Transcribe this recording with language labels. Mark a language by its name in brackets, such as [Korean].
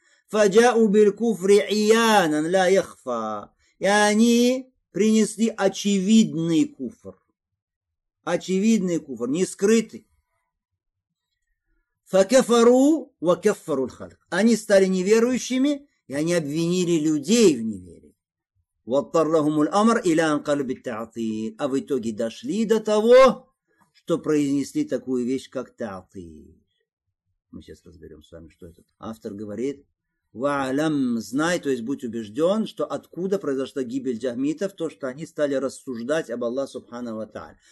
[Arabic] Фаджау биль куфри иянан ля яхфа. [Russian] И они принесли очевидный куфр. Очевидный куфр, не скрытый. [Arabic] فَكَفَرُوا وَكَفَّرُوا الْخَلْقِ. [Russian] Они стали неверующими, и они обвинили людей в неверии. [Arabic] واضطر لهم الأمر إلى أن قلب التعطيل. [Russian] А в итоге дошли до того, что произнесли такую вещь, как تعطيل. Мы сейчас разберем с вами, что этот автор говорит. وَعَلَمْ знай, то есть будь убежден, что откуда произошла гибель джахмитов, то, что они стали рассуждать об Аллах Субхана ва Тааля.